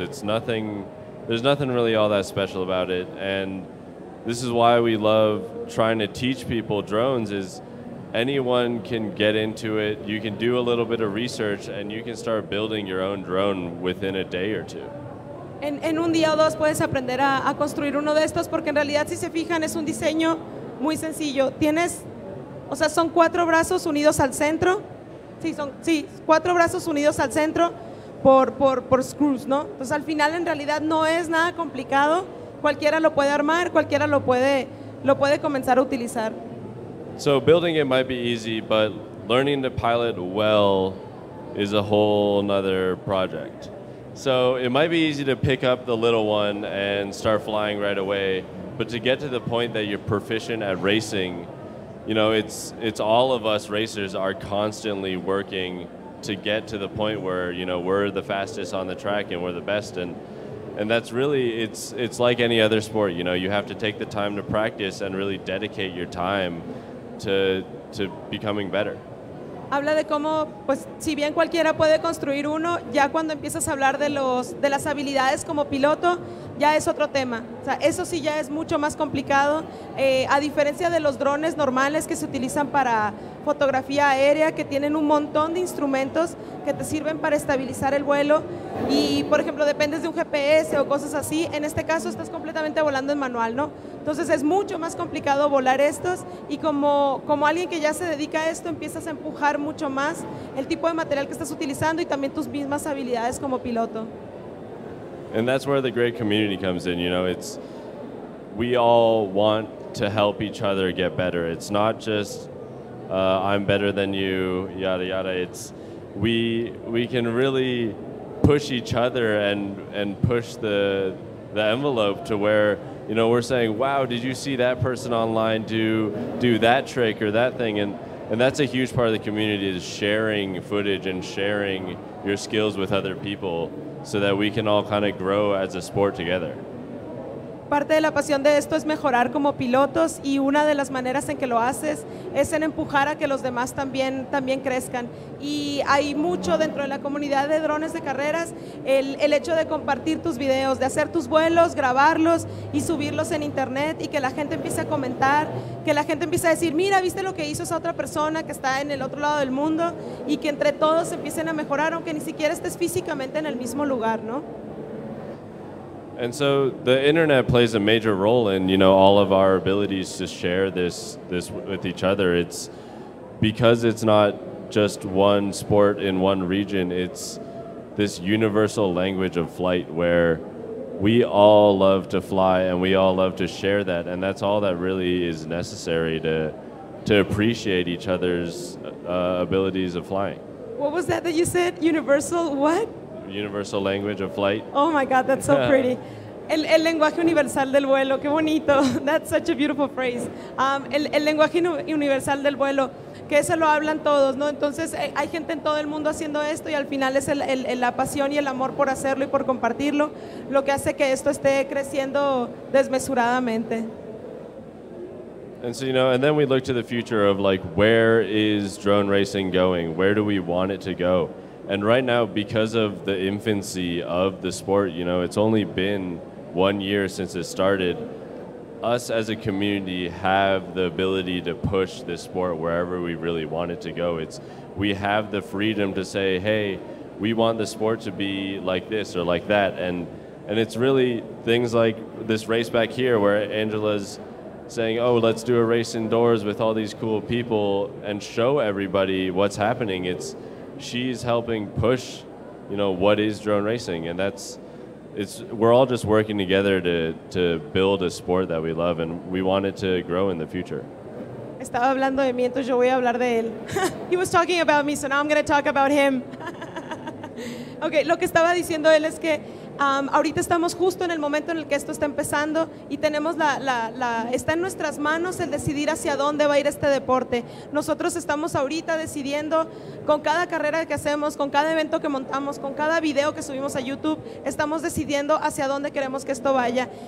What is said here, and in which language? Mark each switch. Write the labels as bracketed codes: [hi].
[en] It's nothing, there's nothing really all that special about it. And this is why we love trying to teach people drones, is anyone can get into it. You can do a little bit of research and you can start building your own drone within a day or two. [es] En un día o dos puedes aprender a construir uno de estos, porque en realidad, si se fijan, es un diseño muy sencillo. Tienes, o sea, son cuatro brazos unidos al centro. Sí, cuatro brazos unidos al centro por screws, ¿no? Entonces, al final, en realidad, no es nada complicado. Cualquiera lo puede armar, cualquiera lo puede comenzar a utilizar. [en] So, building it might be easy, but learning to pilot well is a whole other project. So it might be easy to pick up the little one and start flying right away, but to get to the point that you're proficient at racing, you know, it's all of us racers are constantly working to get to the point where, you know, we're the fastest on the track and we're the best, and that's really, it's like any other sport, you know, you have to take the time to practice and really dedicate your time to becoming better. [es] Habla de cómo, pues, si bien cualquiera puede construir uno, ya cuando empiezas a hablar de las habilidades como piloto, ya es otro tema. O sea, eso sí ya es mucho más complicado. A diferencia de los drones normales que se utilizan para fotografía aérea, que tienen un montón de instrumentos que te sirven para estabilizar el vuelo, y, por ejemplo, dependes de un GPS o cosas así, en este caso estás completamente volando en manual, ¿no? Entonces, es mucho más complicado volar estos, y como alguien que ya se dedica a esto, empiezas a empujar mucho más el tipo de material que estás utilizando y también tus mismas habilidades como piloto. [en] And that's where the great community comes in, you know, it's, we all want to help each other get better. It's not just, I'm better than you, yada, yada. It's, we can really push each other and push the envelope to where, you know, we're saying, wow, did you see that person online do that trick or that thing? And that's a huge part of the community, is sharing footage and sharing your skills with other people, so that we can all kind of grow as a sport together. [es] Parte de la pasión de esto es mejorar como pilotos, y una de las maneras en que lo haces es en empujar a que los demás también crezcan. Y hay mucho dentro de la comunidad de drones de carreras, el hecho de compartir tus videos, de hacer tus vuelos, grabarlos y subirlos en internet, y que la gente empiece a comentar, que la gente empiece a decir, mira, ¿viste lo que hizo esa otra persona que está en el otro lado del mundo? Y que entre todos empiecen a mejorar, aunque ni siquiera estés físicamente en el mismo lugar, ¿no? [en] And so the internet plays a major role in, you know, all of our abilities to share this with each other. It's because it's not just one sport in one region. It's this universal language of flight where we all love to fly and we all love to share that. And that's all that really is necessary to appreciate each other's abilities of flying. What was that you said? Universal what? Universal language of flight. Oh my God, that's so pretty. [es] El lenguaje universal del vuelo, qué bonito. [en] That's such a beautiful phrase. [es] El lenguaje universal del vuelo, que eso lo hablan todos, ¿no? Entonces, hay gente en todo el mundo haciendo esto, y al final es la pasión y el amor por hacerlo y por compartirlo lo que hace que esto esté creciendo desmesuradamente. [en] And so, you know, and then we look to the future of, like, where is drone racing going? Where do we want it to go? And right now, because of the infancy of the sport, you know, it's only been 1 year since it started. Us as a community have the ability to push this sport wherever we really want it to go. It's, we have the freedom to say, hey, we want the sport to be like this or like that. And it's really things like this race back here where Angela's saying, oh, let's do a race indoors with all these cool people and show everybody what's happening. It's, she's helping push, you know, what is drone racing. And that's, it's, we're all just working together to build a sport that we love, and we want it to grow in the future. [es] Estaba hablando de mí, entonces yo voy a hablar de él. [en] He was talking about me, so now I'm going to talk about him. [es] Okay, lo que estaba diciendo él es que ahorita estamos justo en el momento en el que esto está empezando y tenemos la está en nuestras manos el decidir hacia dónde va a ir este deporte. Nosotros estamos ahorita decidiendo con cada carrera que hacemos, con cada evento que montamos, con cada video que subimos a YouTube, estamos decidiendo hacia dónde queremos que esto vaya.